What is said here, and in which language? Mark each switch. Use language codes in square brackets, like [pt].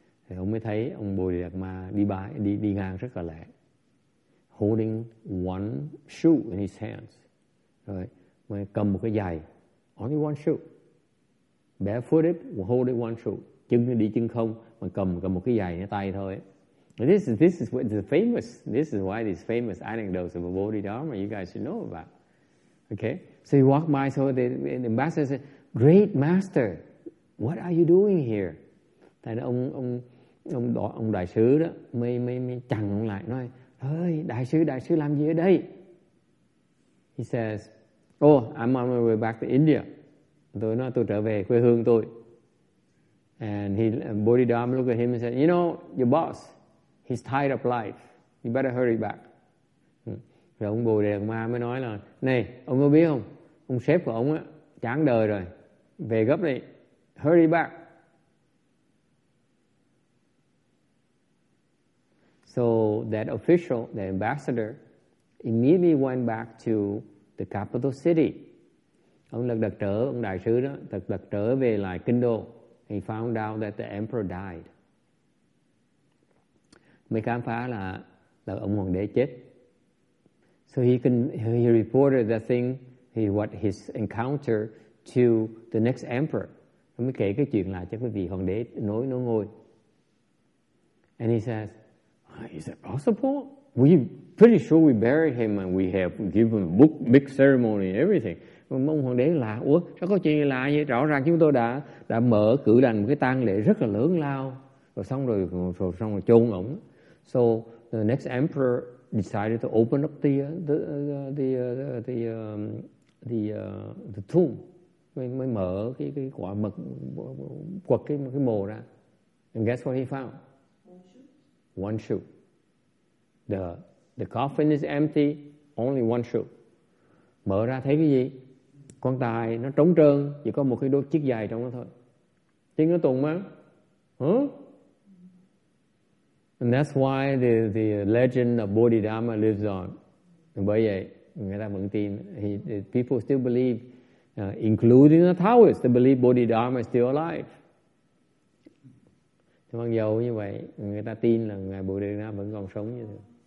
[vi] Thì ông mới thấy ông Bodhidharma đi ngang rất là lẹ. [en] Holding one shoe in his hands. [vi] Rồi mới cầm một cái giày. [en] Only one shoe. Barefooted, holding one shoe. [vi] Chân đi chân không, mà cầm một cái giày ở tay thôi. [en] This is what the famous. This is why these famous anecdotes of Bodhidharma you guys should know about. Okay? So he walked by, so the ambassador said, great master, what are you doing here? [vi] Tại đó ông đại sứ đó mới chặn ông lại nói, ơi đại sứ làm gì ở đây? [en] He says, oh, I'm on my way back to India. [vi] Tôi nói tôi trở về quê hương tôi. [en] And Bodhidharma looked at him and said, you know, your boss, he's tied up life. You better hurry back. [vi] Rồi ông Bodhidharma mới nói là, này, ông có biết không? Ông sếp của ông á chán đời rồi, về gấp đi. [en] Hurry back. So that official, the ambassador, immediately went back to the capital city. [vi] Ông lật đật trở, ông đại sứ đó, lật đật trở về lại kinh đô. [en] He found out that the emperor died. [vi] Mới khám phá là ông hoàng đế chết. [en] So he reported the thing, what his encounter to the next emperor. [vi] Mới kể cái chuyện lại cho quý vị hoàng đế nối ngôi. [en] And he says, is it possible? We're pretty sure we buried him and we have given a big ceremony and everything. [vi] Ông hoàng đế là, ủa, sao có chuyện lạ vậy? Rõ ràng chúng tôi đã mở cử đành một cái tang lễ rất là lớn lao. Rồi xong rồi, rồi chôn ổng. [en] So, the next emperor decided to open up the tomb. [vi] Mới mở cái quả mật, quật cái mồ ra. [en] And guess what he found? One shoe. One shoe. The coffin is empty, only one shoe. [vi] Mở ra thấy cái gì? Quan tài nó trống trơn, chỉ có một cái đôi chiếc giày trong đó thôi. Chiếc nó tùng mà. Huh? [en] And that's why the legend of Bodhidharma lives on. [vi] Bởi vậy, người ta vẫn tin. [en] People still believe, including the Taoists, they believe Bodhidharma is still alive. [vi] Thì mặc dù như vậy, người ta tin là Ngài Bodhidharma vẫn còn sống như thế.